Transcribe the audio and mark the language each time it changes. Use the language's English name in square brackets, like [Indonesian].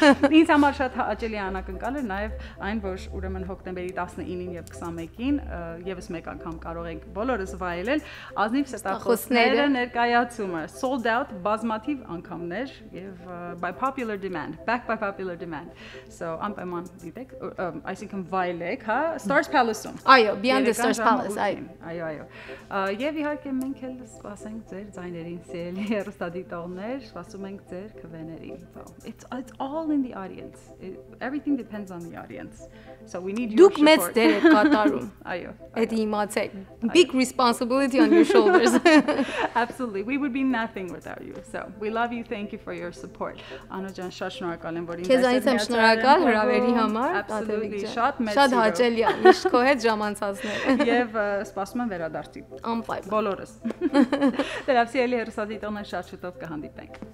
[Armenian] Ինձ համար շատ հաճելի անակնկալ է, նաեւ այն, որ ուրեմն հոկտեմբերի 19-ին եւ 21-ին եւս մեկ անգամ կարող ենք բոլորս վայելել ազնիվ ստախոսները ներկայացումը, sold out բազմաթիվ անգամներ եւ [English] by popular demand, back by popular demand. So, [Armenian] անպայման դիտեք, [English] I think I'm Vilek, ha? Stars Palace-ում. [Armenian] Այո, beyond the Stars Palace, այո. Այո, այո. Եվ իհարկե մենք էլ սպասենք ձեր ձայներին, սիրելի հեռուստադիտողներ, սպասում ենք ձեր քվեներին։ [English] So, it's all in the audience. Everything depends on the audience. So, we need you to support. [Armenian] Դուք մեծ դեր եք կատարում, այո։ Այդ իմացեք, [English] big responsibility on your shoulders. Absolutely. We would be nothing without you. So, we love you. Thank you for your support. [Armenian] Անո ջան, շատ շնորհակալ եմ, որ ինձ այսպես միացել եք։ Քեզ այս շնորհակալ հրավերի համար։ Absolutely, շատ մեծ։ Շատ հաճելի է միշտ քո հետ ժամանցածները։ Եվ սպասում եմ վերադարձի։ Անպայման։ Բոլորս։ Լավ, սիրելի հեռուստադիտողներ, շատ շուտով կհանդիպենք։